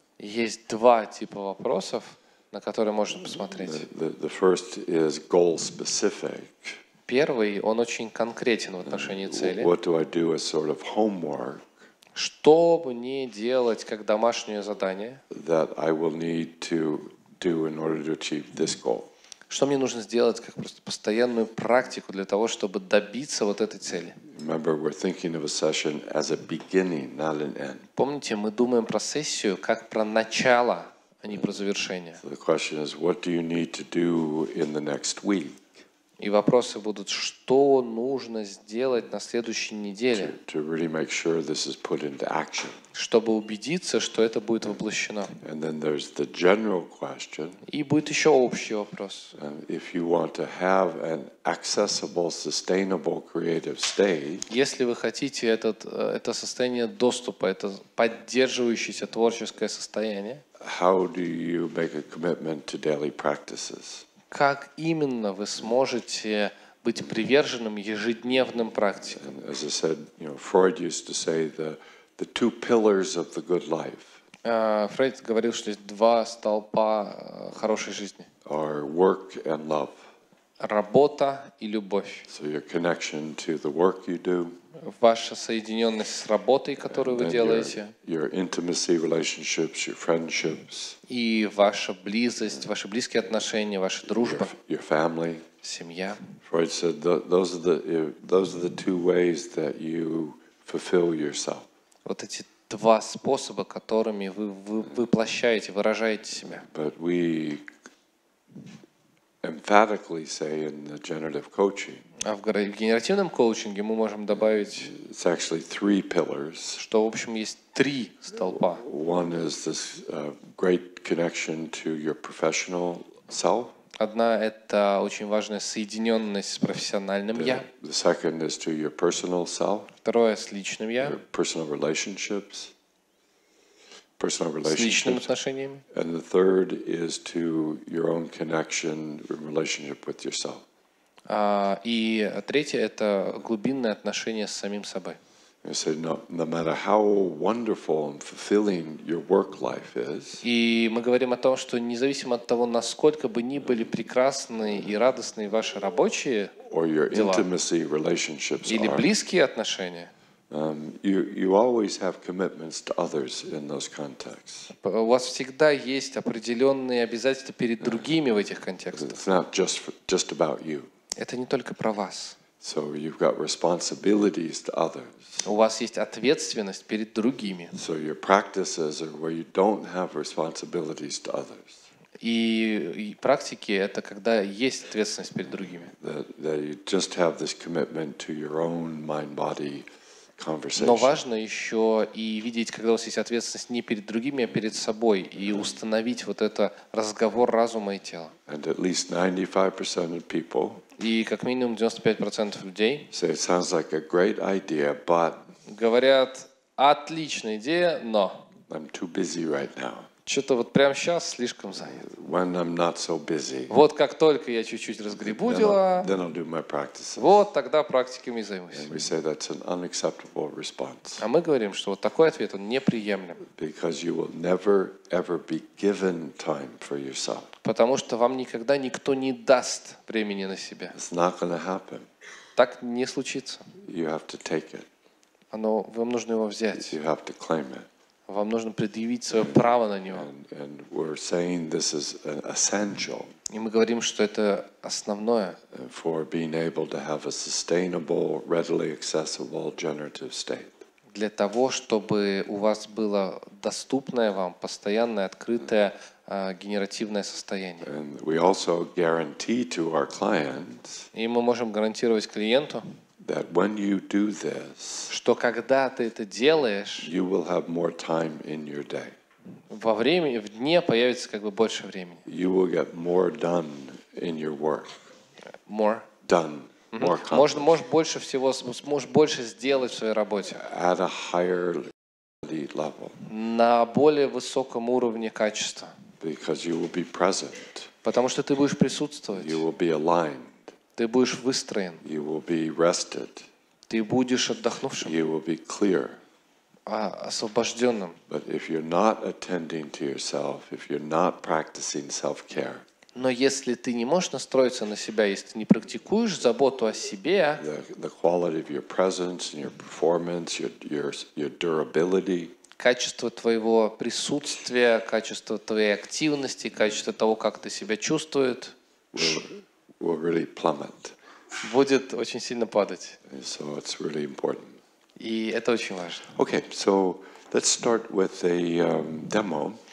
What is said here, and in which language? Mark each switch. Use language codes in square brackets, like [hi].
[ru] Есть два типа вопросов, на которые можно посмотреть. [en] The first is goal specific. [ru] Первый, он очень конкретен в отношении цели. [en] What do I do as sort of homework? [ru] Что мне делать как домашнее задание? [en] That I will need to do in order to achieve this goal. [ru] Что мне нужно сделать как просто постоянную практику для того, чтобы добиться вот этой цели? [en] Remember, we're thinking of a session as a beginning, not an end. [ru] Помните, мы думаем про сессию как про начало, а не про завершение. [en] So the question is, what do you need to do in the next week? [ru] И вопросы будут, что нужно сделать на следующей неделе, [en] to really make sure this is put into action. [ru] Чтобы убедиться, что это будет воплощено. [en] And then there's the general question. [ru] И будет еще общий вопрос. [en] And if you want to have an accessible, sustainable creative state, [ru] если вы хотите это состояние доступа, это поддерживающееся творческое состояние, [en] how do you make a commitment to daily practices? [ru] Как именно вы сможете быть приверженным ежедневным практикам? Фрейд говорил, что есть два столпа хорошей жизни. [en] Work and love. [ru] Работа и любовь. [en] So your connection to the work you do. [ru] Ваша соединенность с работой, которую вы делаете. [en] Your intimacy, relationships, your friendships. [ru] И ваша близость, ваши близкие отношения, ваша дружба. [en] Your family. [ru] Семья. [en] Freud said those are the two ways that you fulfill yourself. [ru] Вот эти два способа, которыми вы воплощаете, выражаете себя. [en] But we emphatically say in the generative coaching. [ru] А в генеративном коучинге мы можем добавить, [en] it's actually three pillars. [ru] Что, в общем, есть три столпа. [en] One is this great connection to your professional self. [ru] Одна – это очень важная соединенность с профессиональным «я». [en] The second is to your personal self. [ru] Второе – с личным «я». [en] Your personal relationships. Personal relationships. [ru] С личными отношениями. [en] And the third is to your own connection, relationship with yourself. [ru] И третье – это глубинное отношение с самим собой. [en] You say, no matter how wonderful and fulfilling your work life is. [ru] И мы говорим о том, что независимо от того, насколько бы ни были прекрасны и радостны ваши рабочие дела, или близкие отношения. [en] You always have commitments to others in those contexts. [ru] У вас всегда есть определенные обязательства перед другими в этих контекстах. [en] It's not just about you. [ru] Это не только про вас. [en] So you've got responsibilities to others. [ru] У вас есть ответственность перед другими. [en] So your practices are where you don't have responsibilities to others. [ru] И практики – это когда есть ответственность перед другими. [en] That you just have this commitment to your own mind-body conversation. [ru] Но важно еще и видеть, когда у вас есть ответственность не перед другими, а перед собой, и установить вот это разговор разума и тела. [en] And at least 95% of people. [ru] И как минимум 95% людей [en] say, it sounds like a great idea, but [ru] говорят, Отличная идея, но. [en] I'm too busy right now. [ru] Что-то вот прямо сейчас слишком занят. [en] When I'm not so busy. [ru] Вот как только я чуть-чуть разгребу дела. [en] Then I'll do my practices. [ru] Вот тогда практиками займусь. [en] And we say that's an unacceptable response. [ru] А мы говорим, что вот такой ответ он неприемлем. [en] Because you will never ever be given time for yourself. [ru] Потому что вам никогда никто не даст времени на себя. [en] It's not gonna happen. [ru] Так не случится. [en] You have to take it. [ru] Оно, вам нужно его взять. [en] You have to claim it. [ru] Вам нужно предъявить свое право на него. [en] And we're saying this is essential. [ru] И мы говорим, что это основное. [en] For being able to have a sustainable, readily accessible, generative state. [ru] Для того, чтобы у вас было доступное вам постоянное, открытое, генеративное состояние. [en] And we also guarantee to our clients. [ru] И мы можем гарантировать клиенту. [en] That when you do this, [ru] что когда ты это делаешь, [en] you will have more time in your day. [ru] Во время, в дне появится как бы больше времени. [en] You will get more done in your work. More. Done. Mm-hmm. More accomplished. [ru] Можешь больше сделать в своей работе. [en] At a higher level. [ru] На более высоком уровне качества. [en] Because you will be present. [ru] Потому что ты будешь присутствовать. [en] You will be aligned. [ru] Ты будешь выстроен. [en] You will be rested. [ru] Ты будешь отдохнувшим. [en] You will be clear. [ru] Освобожденным. [en] But if you're not attending to yourself, if you're not practicing self-care, [ru] но если ты не можешь настроиться на себя, если ты не практикуешь заботу о себе, [en] the quality of your presence and your performance, your durability, [ru] качество твоего присутствия, качество твоей активности, качество того, как ты себя чувствуешь, [en] will really plummet. [ru] Будет очень сильно падать. [en] And so it's really important. [ru] И это очень важно. [en] Okay, so let's start with a demo.